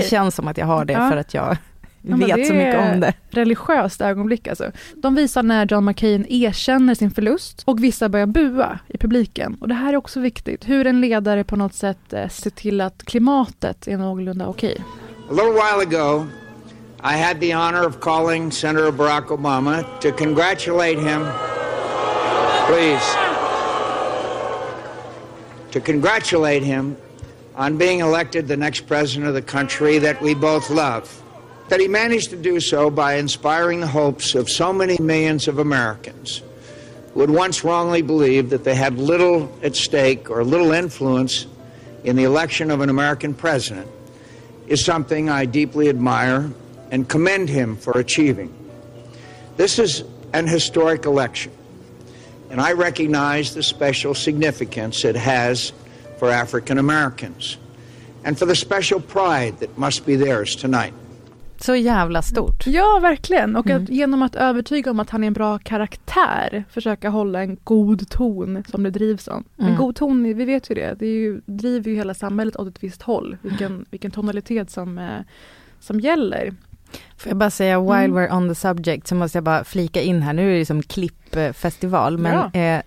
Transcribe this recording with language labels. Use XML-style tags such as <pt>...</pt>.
<sv>Det känns som att jag har det för att jag vet så mycket om det. Religiöst ögonblick alltså. De visar när John McCain erkänner sin förlust och vissa börjar bua i publiken. Och det här är också viktigt. Hur en ledare på något sätt ser till att klimatet är någorlunda okej.</sv> <en>A little while ago, I had the honor of calling Senator Barack Obama to congratulate him. Please. To congratulate him on being elected the next president of the country that we both love. That he managed to do so by inspiring the hopes of so many millions of Americans who had once wrongly believed that they had little at stake or little influence in the election of an American president is something I deeply admire and commend him for achieving. This is an historic election, and I recognize the special significance it has for African Americans and for the special pride that must be theirs tonight.</en> <sv>Så jävla stort. Ja, verkligen. Och att genom att övertyga om att han är en bra karaktär försöka hålla en god ton som det drivs om. En god ton, vi vet ju det. Det är ju, driver ju hela samhället åt ett visst håll. Vilken tonalitet som gäller. Får jag bara säga,</sv> <en>while we're on the subject,</en> <sv>så måste jag bara flika in här. Nu är det som klippfestival. Men ja.</sv>